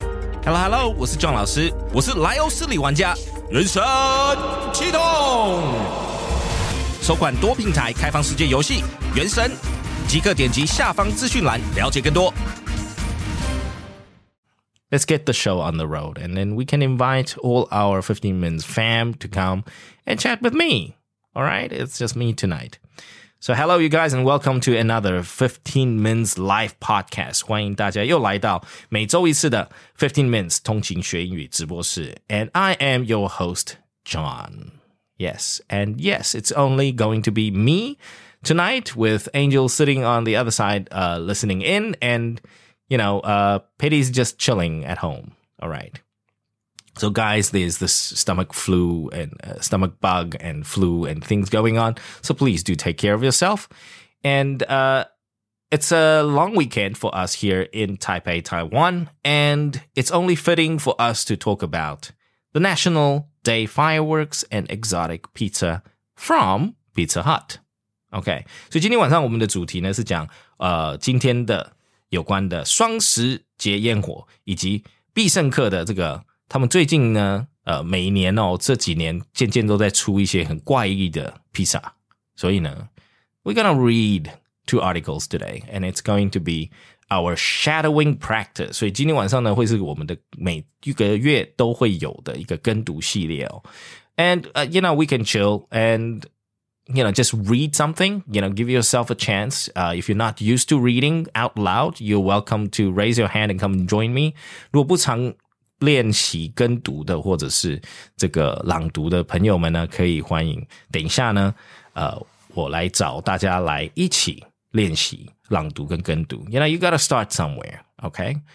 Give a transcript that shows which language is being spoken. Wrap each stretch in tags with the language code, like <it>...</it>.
<zh>Hello Hello， 我是壮老师，我是莱欧斯里玩家，人生启动，首款多平台开放世界游戏《原神》，即刻点击下方资讯栏了解更多。</zh> <en>Let's get the show on the road, and then we can invite all our 15 minutes fam to come and chat with me. All right, it's just me tonight. So hello you guys and welcome to another 15 Minutes Live Podcast.</en> <zh>欢迎大家又来到每周一次的15 Minutes 通勤学英语直播室。</zh> <en>And I am your host, John. Yes, and yes, it's only going to be me tonight with Angel sitting on the other side, listening in. And, you know, Petty's just chilling at home. All right. So guys, there's this stomach flu and stomach bug and flu and things going on. So please do take care of yourself. And it's a long weekend for us here in Taipei, Taiwan. And it's only fitting for us to talk about the National Day fireworks and exotic pizza from Pizza Hut.</en> <zh>Okay, so 今天晚上我们的主题呢是讲今天的有关的双十节烟火以及必胜客的这个他们最近呢每一年哦这几年渐渐都在出一些很怪异的披萨。</zh> <en>所以呢 ,we're gonna read two articles today, and it's going to be our shadowing practice.</en> <zh>所以今天晚上呢会是我们的每一个月都会有的一个跟读系列哦。</zh> <en>And, you know, we can chill and, you know, just read something, you know, give yourself a chance. If you're not used to reading out loud, you're welcome to raise your hand and come and join me.</en> <zh>如果不常练习跟读的或者是这个朗读的朋友们呢可以欢迎等一下呢我来找大家来一起练习朗读跟跟读</zh> <en>You know, you gotta start somewhere, okay?</en>